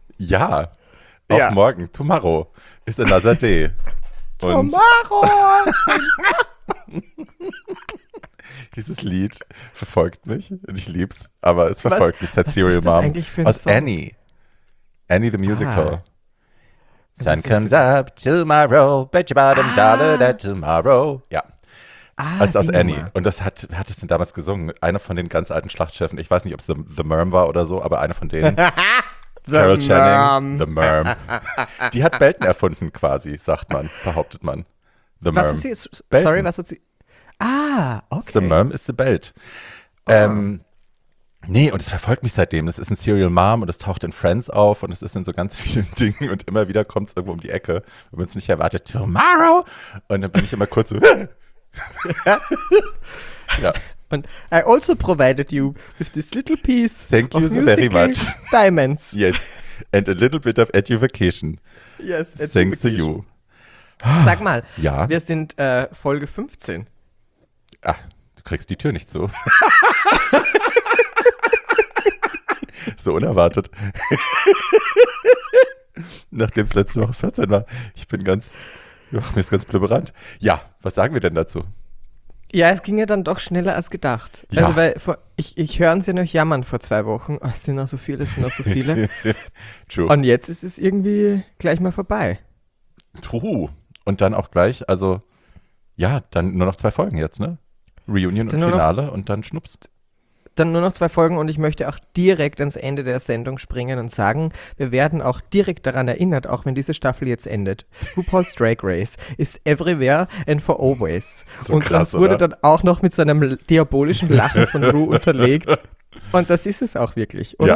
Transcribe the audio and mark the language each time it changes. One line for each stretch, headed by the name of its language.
German: Ja, auch ja. Morgen, tomorrow. Ist ein Laser D.
English: Tomorrow!
German: Dieses Lied verfolgt mich und ich lieb's, aber es verfolgt mich. Seit Serial Mom. Was ist das eigentlich für ein Song? Aus Annie. Annie the Musical. Ah.
English: Sun comes up tomorrow, bet your bottom dollar that tomorrow.
German: Ja. Ah, also aus Annie. Und das hat, wer hat das denn damals gesungen? Einer von den ganz alten Schlachtschiffen. Ich weiß nicht, ob es The Merm war oder so, aber einer von denen. Carol Channing, The Merm. Die hat Belten erfunden quasi, sagt man, behauptet man.
English: The
German: Merm. Was hat sie? Belten. Sorry, was hat sie? Ah, okay.
English: The Merm
German: ist
English: the Belt.
German: Nee, und es verfolgt mich seitdem. Das ist ein Serial Mom und es taucht in Friends auf und es ist in so ganz vielen Dingen und immer wieder kommt es irgendwo um die Ecke, wenn man es nicht erwartet. Tomorrow! Und dann bin ich immer kurz so. Ja. Und
English: I also provided you with this little piece. Thank you so very much. Diamonds. Yes. And a little bit of education. Yes, education. Thanks to you.
German: Sag mal, ja? Wir sind Folge 15. Ah, du kriegst die Tür nicht zu. So unerwartet. Nachdem es letzte Woche 14 war. Ich bin ganz, mir ist ganz blubberant. Ja, was sagen wir denn dazu? Ja, es ging ja dann doch schneller als gedacht. Ja. Also, weil ich höre sie noch jammern vor 2 Wochen. Oh, es sind noch so viele, es sind noch so viele.
English: True.
German: Und jetzt ist es irgendwie gleich mal vorbei.
English: True.
German: Und dann auch gleich, also, ja, dann nur noch 2 Folgen jetzt, ne? Reunion dann und Finale noch, und dann schnups. Dann nur noch 2 Folgen und ich möchte auch direkt ans Ende der Sendung springen und sagen, wir werden auch direkt daran erinnert, auch wenn diese Staffel jetzt endet.
English: RuPaul's Drag Race is everywhere and for always.
German: So und krass, das wurde oder? Dann auch noch mit so einem diabolischen Lachen von Ru unterlegt. Und das ist es auch wirklich, oder?